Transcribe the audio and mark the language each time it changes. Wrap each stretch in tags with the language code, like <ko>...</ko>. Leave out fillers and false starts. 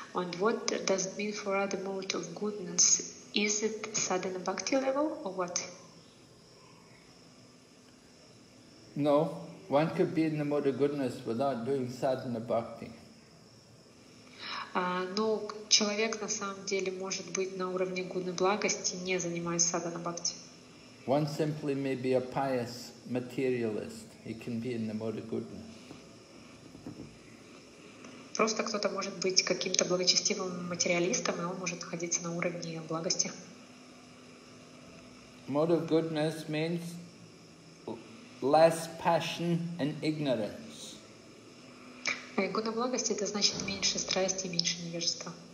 <en>And what does it mean for other mode of goodness? Is it sadhana bhakti level or what? No, one could be in the mode of goodness without doing sadhana bhakti.</en> <ru>Но человек на самом деле может быть на уровне гуны благости, не занимаясь садхана бхакти.</ru> <en>One simply may be a pious materialist. He can be in the mode of goodness.</en> <ru>Просто кто-то может быть каким-то благочестивым материалистом, и он может находиться на уровне благости.</ru> <en>Mode of goodness means less passion and ignorance.</en> <ru>Гуна благости — это значит меньше страсти и меньше невежества.</ru>